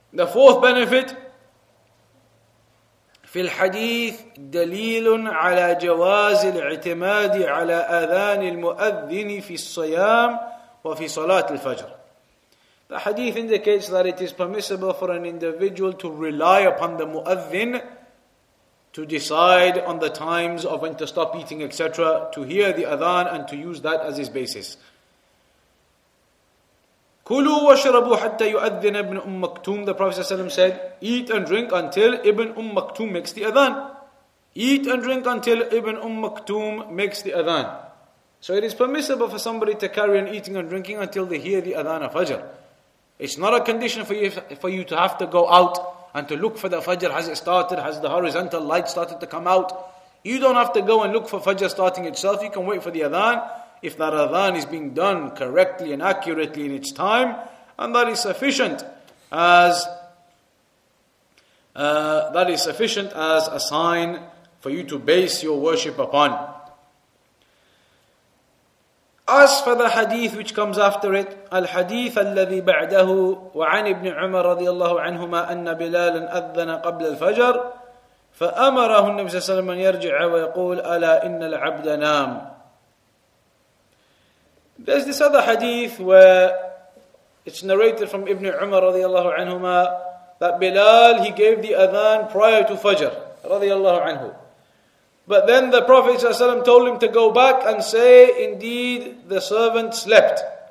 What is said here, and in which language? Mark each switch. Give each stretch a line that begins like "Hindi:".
English: The fourth benefit,
Arabic: في الحديث دليل على جواز الاعتماد على أذان المؤذن في الصيام وفي صلاة الفجر.
English: The hadith indicates that it is permissible for an individual to rely upon the مؤذن to decide on the times of when to stop eating, etc., to hear the adhan and to use that as his basis.
Arabic: كُلُوا وَشْرَبُوا حَتَّى يُؤَذِّنَ ابْنُ أُمْ مَكْتُومِ.
English: The Prophet ﷺ said, eat and drink until Ibn Umm Maktoum makes the adhan. Eat and drink until Ibn Umm Maktoum makes the adhan. So it is permissible for somebody to carry on eating and drinking until they hear the adhan of Fajr. It's not a condition for you to have to go out and to look for the Fajr. Has it started? Has the horizontal light started to come out? You don't have to go and look for Fajr starting itself. You can wait for the Adhan. If that Adhan is being done correctly and accurately in its time, and that is sufficient as a sign for you to base your worship upon. As for the hadith which comes after it,
Arabic: الحديث الذي بعده وعن ابن عمر رضي الله عنهما أن بلالا أذن قبل الفجر فأمره النبي صلى الله عليه وسلم أن يرجع ويقول ألا إن العبد نام.
English: There's this other hadith where it's narrated from ابن عمر رضي الله عنهما that Bilal, he gave the adhan prior to Fajr رضي الله عنه. But then the Prophet ﷺ told him to go back and say, indeed, the servant slept.